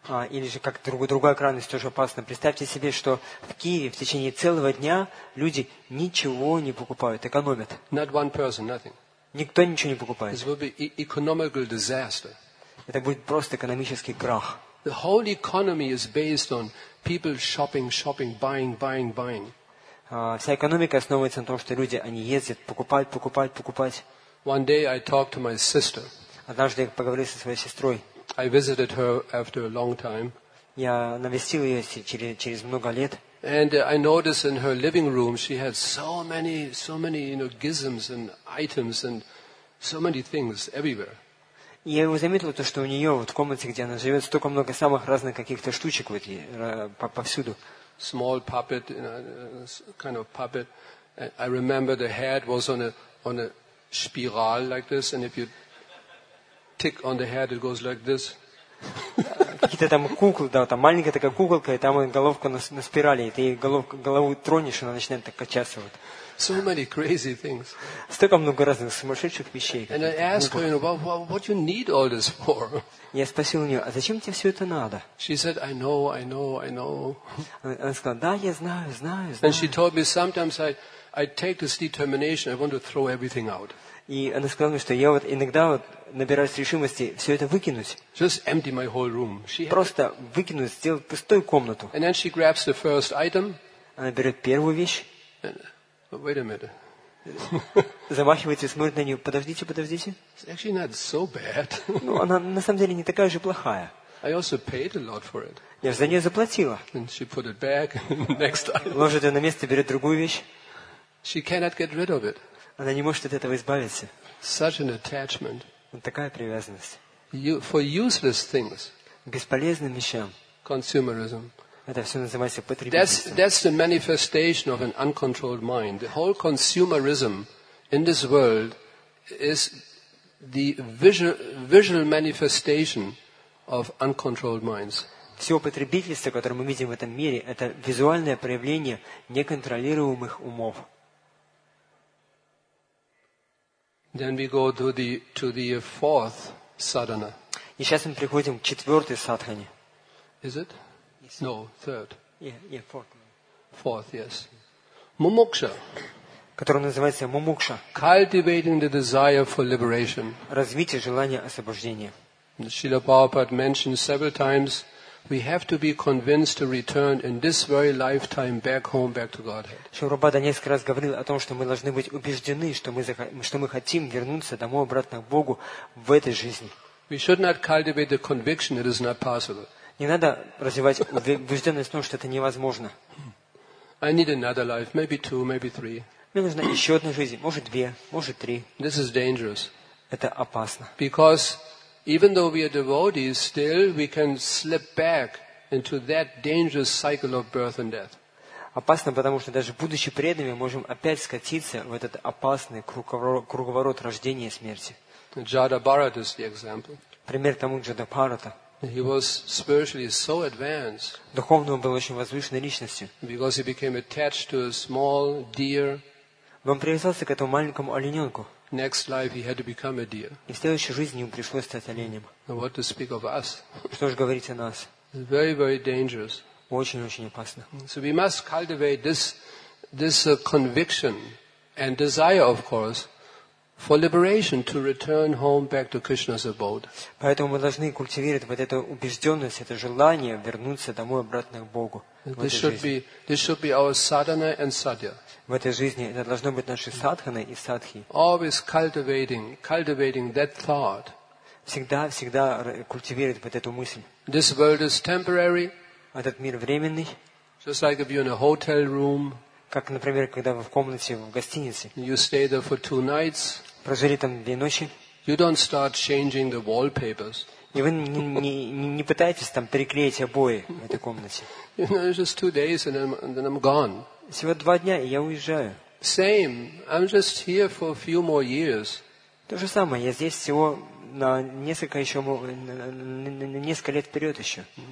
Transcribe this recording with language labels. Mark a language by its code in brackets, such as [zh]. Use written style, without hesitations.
[ru] Или же как другая крайность тоже опасна. Представьте себе, что в Киеве в течение целого дня люди ничего не покупают, экономят. [en] Not one person, nothing. [ru] Никто ничего не покупает. [en] This would be economical disaster. [ru] Это будет просто экономический крах. [en] The whole economy is based on people shopping, buying. [ru] Вся экономика основывается на том, что люди они ездят, покупают. [en] One day I talked to my sister. [ru] Однажды я поговорил со своей сестрой. [en] I visited her after a long time. [ru] Я навестил ее через много лет. [en] And I noticed in her living room she had so many, you know, gizms and items and so many things everywhere. [ru] Я его заметил, то, что у нее вот, в комнате, где она живет, столько много самых разных каких-то штучек вот, повсюду. [en] Small puppet, kind of puppet. I remember the head was on a spiral like this, and if you tick on the head, it goes like this. [ru] Какие-то там куклы, да, там маленькая такая куколка, и там головка на спирали, и ты голову тронешь, и она начинает так качаться вот. [en] So many crazy things. [ru] Столько много разных сумасшедших вещей. [en] And I asked her, you know, what you need all this for? [ru] Я спросил у нее, а зачем тебе все это надо? [en] She said, I know. [ru] Она сказала, да, я знаю. [en] And she told me sometimes I take this determination, I want to throw everything out. [ru] И она сказала мне, что я вот иногда вот набираюсь решимости все это выкинуть. [en] Just empty my whole room. [ru] Просто выкинуть, сделать пустую комнату. [en] And then she grabs the first item. [ru] Она берет первую вещь. [en] But wait a minute. [ru] Замахивается и смотрит на нее. Подождите, подождите. [en] It's actually not so bad. [ru] Ну, она на самом деле не такая же плохая. [en] I also paid a lot for it. [ru] Я же за нее заплатила. [en] And she put it back next time. [ru] Ложит ее на место, берет другую вещь. [en] She cannot get rid of it. [ru] Она не может от этого избавиться. [en] Such an attachment. [ru] Вот такая привязанность. [en] You, for useless things. [ru] Бесполезным вещам. [en] Consumerism. [ru] Это все называется потребительством. [en] That's the manifestation of an uncontrolled mind. The whole consumerism in this world is the visual manifestation of uncontrolled minds. [ru] Все потребительство, которое мы видим в этом мире, это визуальное проявление неконтролируемых умов. [en] Then we go to the fourth sadhana. [ru] И сейчас мы приходим к четвертой садхане. [en] Is it? No, third. Yeah, fourth. Fourth, yes. Mumuksha. [ru] Которая называется мумукша. [en] Cultivating the desire for liberation. [ru] Развитие желания освобождения. [en] Srila Prabhupada mentioned several times, we have to be convinced to return in this very lifetime back home, back to Godhead. [ru] Srila Prabhupada несколько раз говорил о том, что мы должны быть убеждены, что мы хотим вернуться домой обратно к Богу в этой жизни. [en] We should not cultivate the conviction that it is not possible. [ru] Не надо развивать убежденность в том, что это невозможно. [en] I need another life, maybe two, maybe three. [ru] Мне нужна еще одна жизнь, может две, может три. [en] This is dangerous. [ru] Это опасно. [en] Because even though we are devotees, still we can slip back into that dangerous cycle of birth and death. [ru] Опасно, потому что даже будучи преданными, можем опять скатиться в этот опасный круговорот рождения и смерти. [en] Jada Bharat is the example. [ru] Пример тому Джада Бхарата. [en] He was spiritually so advanced. [ru] Духовно он был очень возвышенной личностью. [en] Because he became attached to a small deer. [ru] Он привязался к этому маленькому олененку. [en] Next life he had to become a deer. [ru] И в следующей жизни ему пришлось стать оленем. [en] What to speak of us? [ru] Что же говорить о нас? [en] Very, very dangerous. [ru] Очень-очень опасно. [en] So we must cultivate this conviction and desire, of course, for liberation, to return home back to Krishna's abode. [ru] Поэтому мы должны культивировать вот эту убежденность, это желание вернуться домой обратно к Богу. [en] This should be our sadhana and sadhya. [ru] В этой жизни это должно быть нашей садханой и садхи. [en] Always cultivating that thought. [ru] Всегда культивировать вот эту мысль. [en] This world is temporary. [ru] Этот мир временный. [en] Just like if you're in a hotel room. [ru] Как, например, когда вы в комнате в гостинице. [en] You stay there for two nights. [ru] Прожили там две ночи. [en] You don't start changing the wallpapers. [ru] И вы не пытаетесь там переклеить обои в этой комнате. [en] You know, it's just two days and then I'm gone. [ru] Всего два дня, и я уезжаю. [en] Same. I'm just here for a few more years. [ru] То же самое. Я здесь всего на несколько еще на несколько лет вперед еще.